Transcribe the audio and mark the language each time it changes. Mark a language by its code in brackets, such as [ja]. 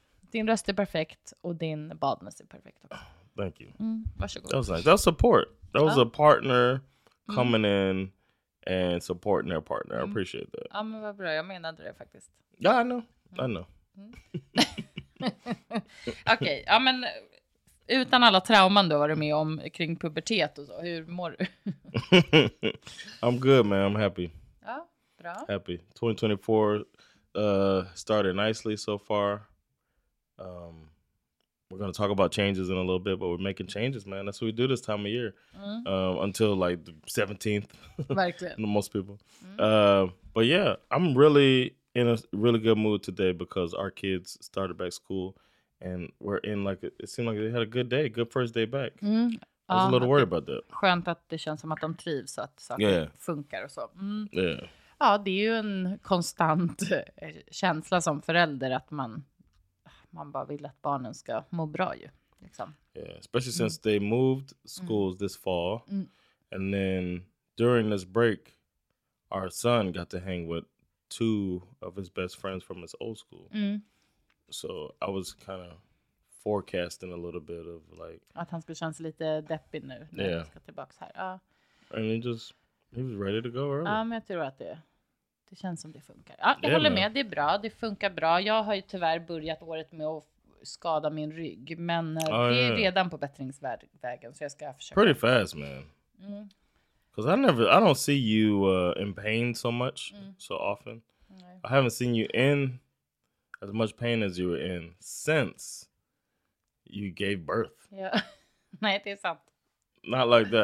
[sv] Din röst är perfekt och din badmus är perfekt också. [en] Thank you. [sv] Mm, varsågod. [en] That was nice. That was support. That was a partner coming in and supporting their partner. I appreciate that. [sv] Ja, men vad bra. Jag menade det faktiskt. [en] Ja, yeah, I know. Mm. I know. [sv] Okej, okay, ja men utan alla trauman du har varit med om kring pubertet och så, hur mår du? [en] I'm good, man. I'm happy. [sv] Ja, bra. [en] Happy. 2024 started nicely so far. We're gonna talk about changes in a little bit, but we're making changes, man. That's what we do this time of year. Mm. Until like the 17th. [sv] Verkligen. [en] Most people. Mm. But yeah, I'm really in a really good mood today because our kids started back school and we're in like it seemed like they had a good day, good first day back. Mm. I was a little worried about that. [sv] Skönt att det känns som att de trivs så att saker funkar och så. Mm. [en] Yeah. [sv] Ja, det är ju en konstant känsla som förälder att man bara vill att barnen ska må bra ju liksom. [en] Yeah, especially since they moved schools this fall. Mm. And then during this break our son got to hang with two of his best friends from his old school. Mm. So I was kind of forecasting a little bit of like [sv] att han skulle känns lite deppig nu när han ska tillbaka här. Ja. [en] And he was ready to go early. [sv] Ja, men jag tror att det känns som det funkar. Ja, jag håller med. Det är bra. Det funkar bra. Jag har ju tyvärr börjat året med att skada min rygg. Men det är redan på bättringsvägen. Så jag ska försöka. [en] Pretty fast, man. Because I don't see you in pain so much. Mm. So often. Nej. I haven't seen you in as much pain as you were in since you gave birth. [sv] Yeah. Nej, det är sant. [en] Not like that.